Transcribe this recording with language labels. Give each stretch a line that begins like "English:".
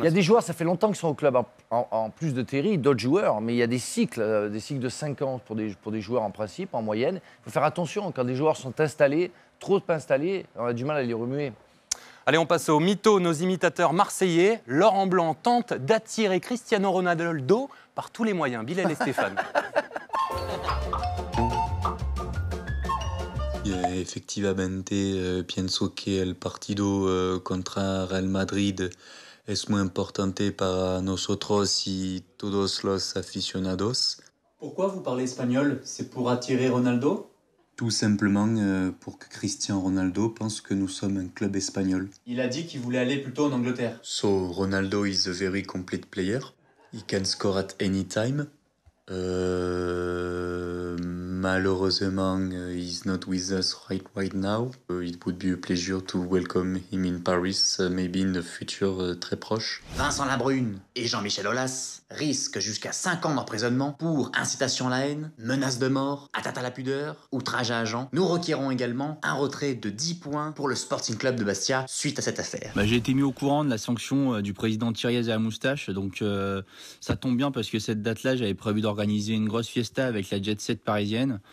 French: Il y a des joueurs, ça fait longtemps qu'ils sont au club, en plus de Terry, d'autres joueurs, mais il y a des cycles de 5 ans pour des joueurs en principe, en moyenne. Il faut faire attention, quand des joueurs sont installés, trop installés, on a du mal à les remuer. Allez, on passe au mytho, nos imitateurs marseillais. Laurent Blanc tente d'attirer Cristiano Ronaldo par tous les moyens. Bilal et Stéphane.
Spanish: Effectivamente, pienso que el partido contra Real Madrid es muy importante para nosotros y todos los aficionados.
French: Pourquoi vous parlez espagnol? C'est pour attirer Ronaldo? Tout simplement pour que Cristiano Ronaldo pense que nous sommes un club espagnol. Il a dit qu'il voulait aller plutôt en Angleterre.
English: So, Ronaldo is a very complete player. He can score at any time.
French: Malheureusement,
English: he's not with us right now. It would be a pleasure to welcome him in Paris, maybe in the future
French: très proche. Vincent Labrune et Jean-Michel Aulas risquent jusqu'à 5 ans d'emprisonnement pour incitation à la haine, menace de mort, atteinte à la pudeur, outrage à agent. Nous requérons également un retrait de 10 points pour le Sporting Club de Bastia suite à cette affaire. Bah, j'ai été mis au courant de la sanction du président Thierry Aze à la moustache, donc ça tombe bien parce que cette date-là, j'avais prévu d'organiser une grosse fiesta avec la Jet Set parisienne.